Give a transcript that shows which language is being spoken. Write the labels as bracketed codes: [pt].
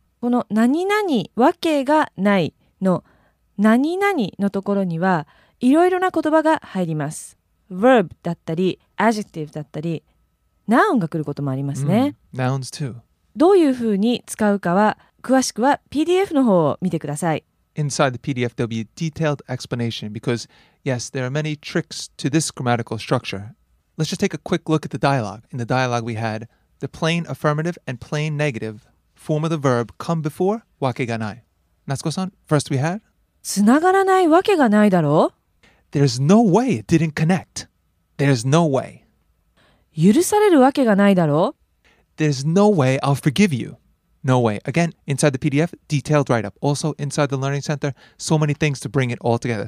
[ja] この何々わけがないの何々のところにはいろいろな言葉が入ります。 Verb だったり Adjective だったり Noun が来ることもありますね。 [en] Nouns too。 [ja] どういうふうに使うかは詳しくは PDF の方を見てください。 [en] Inside the PDF there will be a detailed explanation because yes, there are many tricks to this grammatical structure. Let's just take a quick look at the dialogue. In the dialogue we had the plain affirmative and plain negative form of the verb come before わけがない。 Natsuko-san, first we had [ja] つながらないわけがないだろう。 [en] There's no way it didn't connect. There's no way. [ja] 許されるわけがないだろう。 [en] There's no way I'll forgive you. No way. Again, inside the PDF, detailed write-up. Also, inside the Learning Center, so many things to bring it all together.